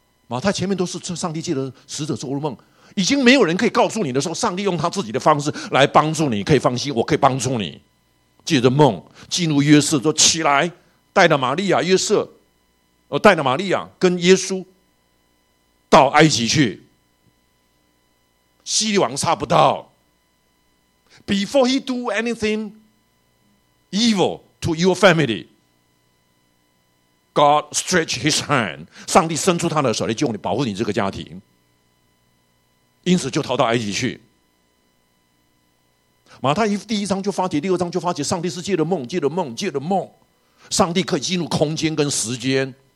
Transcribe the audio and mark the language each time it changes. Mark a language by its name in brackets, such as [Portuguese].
[Chinese] 马太前面都是上帝借的使者做的梦，已经没有人可以告诉你的时候，上帝用他自己的方式来帮助你，可以放心，我可以帮助你。借着梦进入约瑟，说起来，带着玛利亚、约瑟，带着玛利亚跟耶稣到埃及去。西利王查不到。 [English] Before he do anything evil to your family, God stretch his hand. [Chinese] 上帝伸出他的手来救你，保护你这个家庭。因此就逃到埃及去。马太第一章就发觉，第二章就发觉，上帝是借着梦，借着梦，借着梦，上帝可以进入空间跟时间。